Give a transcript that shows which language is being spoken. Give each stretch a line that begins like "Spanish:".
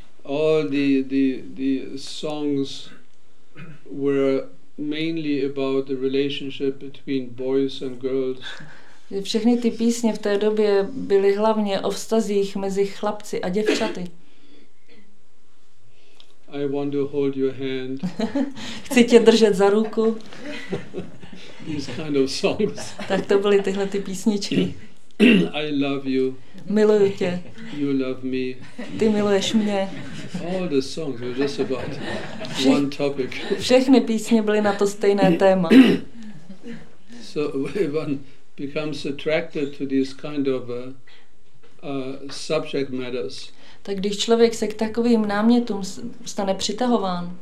English: All the songs were mainly about the relationship between boys and girls.
Czech: Všechny ty písně v té době byly hlavně o vztazích mezi chlapci a děvčaty.
English: I want to hold your hand.
Czech: Chci tě držet za ruku.
English: These kind of songs.
Czech: Tak to byly tyhle ty písničky.
English: I love you.
Czech: Miluju tě.
English: You love me.
Czech: Ty miluješ mě.
English: All the songs were just about one topic.
Czech: Všechny písně byly na to stejné téma.
English: So one becomes attracted to these kind of subject matters.
Czech: Tak když člověk se k takovým námětům stane přitahován.